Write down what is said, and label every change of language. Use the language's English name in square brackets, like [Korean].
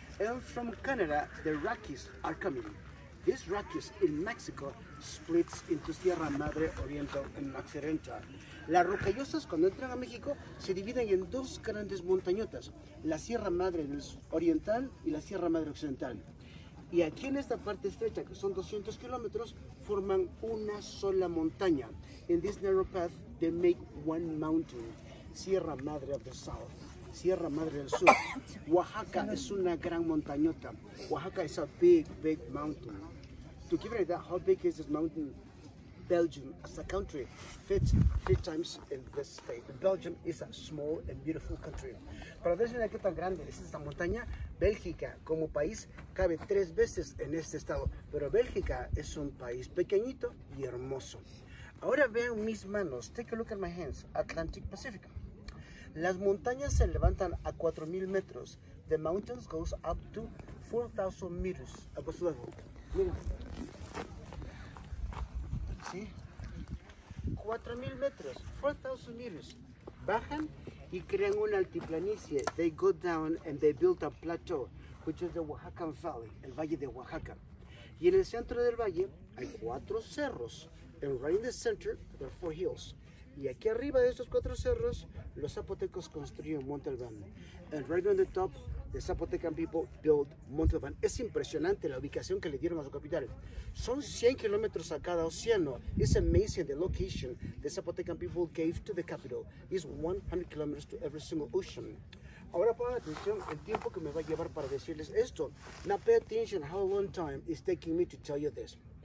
[English] And from Canada, the Rockies are coming. These Rockies in Mexico splits into Sierra Madre Oriental and Occidental. [Spanish] Las rocallosas cuando entran a México se dividen en dos grandes montañotas, la Sierra Madre Oriental y la Sierra Madre Occidental. Y aquí en esta parte estrecha, que son 200 kilómetros, forman una sola montaña. [English] In this narrow path, they make one mountain, Sierra Madre of the South. Sierra Madre del Sur. [Spanish] Oaxaca es una gran montañota. [English] Oaxaca is a big mountain. To give you an idea, how big is this mountain? Belgium as a country fits three times in this state. Belgium is a small and beautiful country. [Spanish] Pero déjenme ver qué tan grande es esta montaña. Bélgica como país cabe tres veces en este estado. Pero Bélgica es un país pequeñito y hermoso. Ahora vean mis manos. [English] Take a look at my hands. [Spanish] Atlantic Pacific. [English] Las montañas se levantan a 4,000 metros. The mountains goes up to 4,000 meters above level. [Spanish] Mira. ¿Sí? 4,000 metros. [English] 4,000 meters. [Spanish] Bajan y crean una altiplanicie. [English] They go down and they build a plateau, which is the Oaxacan Valley, el Valle de Oaxaca. [Spanish] Y en el centro del valle hay cuatro cerros. [English] And right in the center, there are four hills. [Spanish] Y aquí arriba de estos cuatro cerros, los zapotecos construyeron Monte Albano. [English] And right on the top, the Zapotecan people built Monte Albano. [Spanish] Es impresionante la ubicación que le dieron a su capital. Son 100 kilómetros a cada océano. [English] It's amazing the location the Zapotecan people gave to the capital. It's 100 kilometers to every single ocean. [Spanish] Ahora pongan atención el tiempo que me va a llevar para decirles esto. [English] Now pay attention how long time is taking me to tell you this.